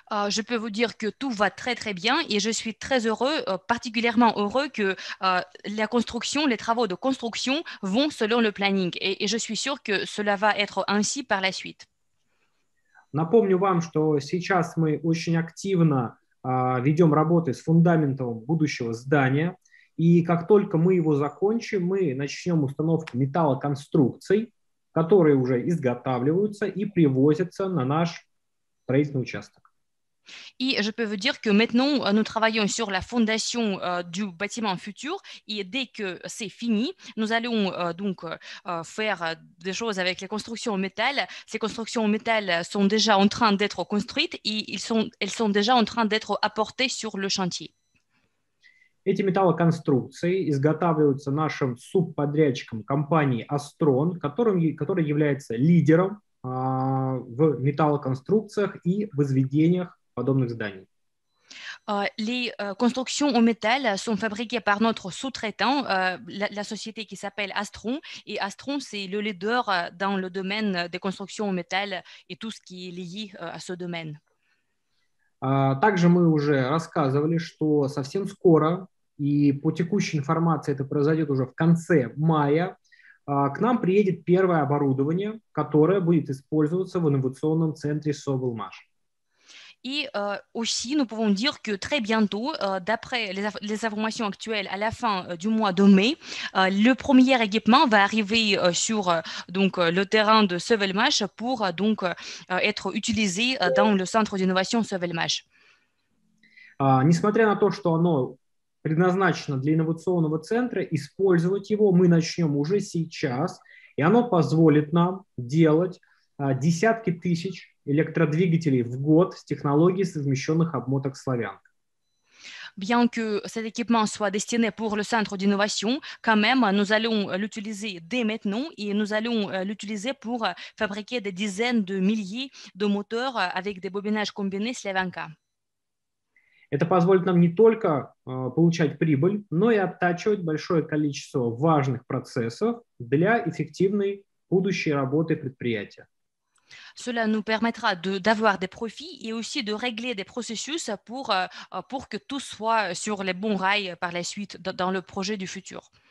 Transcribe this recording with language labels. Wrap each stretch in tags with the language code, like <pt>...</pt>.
<fr>Je peux vous dire que tout va très très bien et je suis très heureux, particulièrement heureux que la construction, les travaux de construction vont selon le planning et je suis sûre que cela va être ainsi par la suite.</fr> <ru>Напомню вам, что сейчас мы очень активно ведем работы с фундаментом будущего здания. И как только мы его закончим, мы начнем установку металлоконструкций, которые уже изготавливаются и привозятся на наш строительный участок.</ru> <fr>Et je peux vous dire que maintenant, nous travaillons sur la fondation du bâtiment futur. Et dès que c'est fini, nous allons donc faire des choses avec les constructions en métal. Ces constructions en métal sont déjà en train d'être construites et elles sont déjà en train d'être apportées sur le chantier.</fr> <ru>Эти металлоконструкции изготавливаются нашим субподрядчиком компании «Астрон», который является лидером в металлоконструкциях и возведениях подобных зданий.</ru> <fr>Les constructions en métal sont fabriquées par notre sous-traitant, la société qui s'appelle Astron. Et Astron, c'est le leader dans le domaine des constructions en métal et tout ce qui est lié à ce domaine.</fr> <ru>Также мы уже рассказывали, что совсем скоро, и по текущей информации это произойдет уже в конце мая, к нам приедет первое оборудование, которое будет использоваться в инновационном центре Соглмаш.</ru> <fr>Et aussi, nous pouvons dire que très bientôt, d'après les informations actuelles, à la fin du mois de mai, le premier équipement va arriver sur donc le terrain de Sevelmash pour donc être utilisé dans le centre d'innovation Sevelmash.</fr> <ru>Несмотря на то, что оно предназначено для инновационного центра, использовать его мы начнем уже сейчас, и оно позволит нам делать десятки тысяч электродвигателей в год с технологией совмещенных обмоток славянок.</ru> <fr>Bien que cet équipement soit destiné pour le centre d'innovation, quand même, nous allons l'utiliser dès maintenant et nous allons l'utiliser pour fabriquer des dizaines de milliers de moteurs avec des bobinages combinés Slavenka.</fr> <ru>Это позволит нам не только получать прибыль, но и оттачивать большое количество важных процессов для эффективной будущей работы предприятия.</ru> <fr>Cela nous permettra d'avoir des profits et aussi de régler des processus pour que tout soit sur les bons rails par la suite dans le projet du futur.</fr>